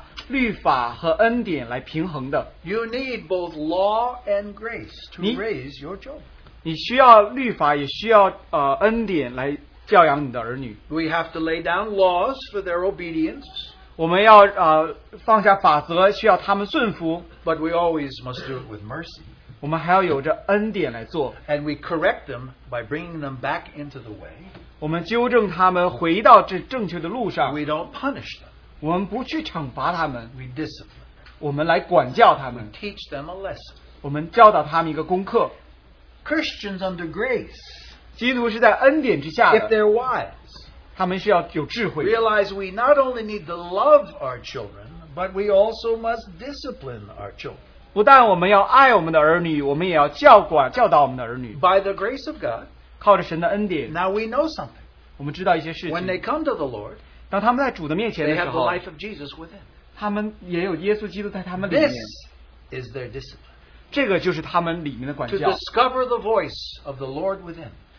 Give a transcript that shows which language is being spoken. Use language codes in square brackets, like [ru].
[en] You need both law and grace to raise your children. [zh] 你需要律法，也需要恩典来教养你的儿女。 [en] We have to lay down laws for their obedience. [zh] 我们要放下法则，需要他们顺服。 [en] But we always must do it with mercy. [zh] 我们还要有着恩典来做。 [en] And we correct them by bringing them back into the way. [zh] 我们纠正他们回到这正确的路上。 [en] We don't punish them. [zh] 我们不去惩罚他们。 [en] We discipline. [zh] 我们来管教他们。 [en] We teach them a lesson. [zh] 我们教导他们一个功课。 [en] Christians under grace. [zh] 基督是在恩典之下的, [en] if they're wise, [zh] 他们需要有智慧, [en] realize we not only need to love our children, but we also must discipline our children. [zh] 不但我们要爱我们的儿女, 我们也要教导我们的儿女。 [en] By the grace of God, [zh] 靠着神的恩典, [en] now we know something. [zh] 我们知道一些事情, [en] when they come to the Lord, [zh] 当他们在主的面前的时候, [en] they have the life of Jesus within. [zh] 他们也有耶稣基督在他们里面。 [en] This is their discipline. To discover the voice of the Lord within.